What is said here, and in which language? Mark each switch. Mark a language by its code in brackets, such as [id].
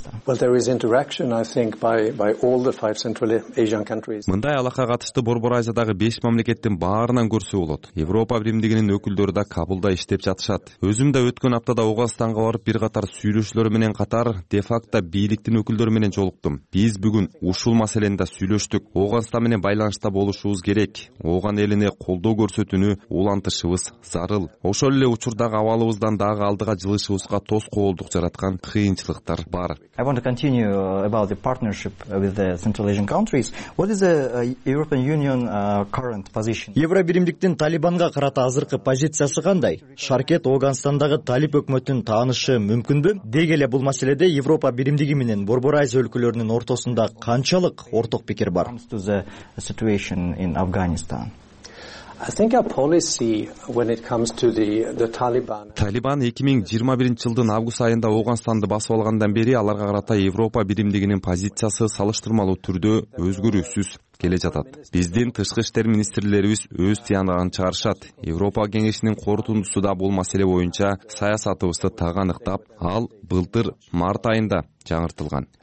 [en] Well, there is interaction I think by all the five Central Asian countries. [ky] Мындай алака катышты Борбор Азиядагы 5 мамлекеттин баарынан көрсө болот. Европа биримдигинин өкүлдөрү да кабылда иштеп жатышат. Өзүм да өткөн аптада Ооганстанга барып бир катар сүйлөшүүлөр менен катар де-факто бийликтин өкүлдөрү менен жолуктум. Биз бүгүн ушул маселени да сүйлөштүк. Ооганстан менен байланышта болушубуз керек. Ооган элине колдоо көрсөтүүнү улантышыбыз зарыл. Ошол эле учурдагы абалыбыздан дагы алдыга жылышыбызга тоскоолдук жараткан кыйынчылыктар бар. [en] I want to continue about the partnership with the Central Asian countries. What is the European Union current position? [ky] Евро биримдиктин Талибанга карата азыркы позициясы кандай? Шаркет Ооганстандагы Талип өкмөтүн таанышы мүмкүнбү? Деги эле бул маселеде Европа биримдиги менен Борбор Азия өлкөлөрүнүн ортосунда канчалык орток пикир бар? [en] The situation in Afghanistan. I think our policy when it comes to the Taliban. [ky] Taliban 2021 жылдын август айында Ауганстанды басып алгандан бери аларга карата Европа биримдигинин позициясы салыштырмалуу түрдө өзгөрүүсүз келе жатат. Биздин тышкы иштер министрлерибиз өз тыянагын чыгарышат. Европа кеңешинин корутундусу да бул маселе боюнча саясатыбызды тагыныктап, ал былтыр март айында жаңыртылган.